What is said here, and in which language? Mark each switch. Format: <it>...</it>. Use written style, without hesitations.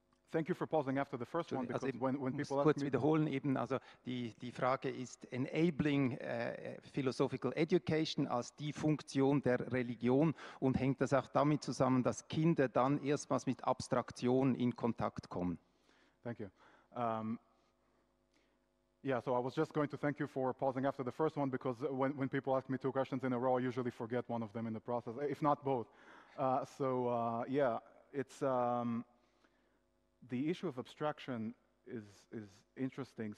<en>Thank you for pausing after the first one, because when people ask me...</en> <de>Ich muss kurz wiederholen, eben, also die Frage ist,</de> <en>enabling philosophical education</en> <de>als die Funktion der Religion, und hängt das auch damit zusammen, dass Kinder dann erstmals mit Abstraktion in Kontakt kommen?</de> <en>Thank you. So I was just going to thank you for pausing after the first one, because when people ask me two questions in a row, I usually forget one of them in the process, if not both. It's the issue of abstraction is interesting.</en>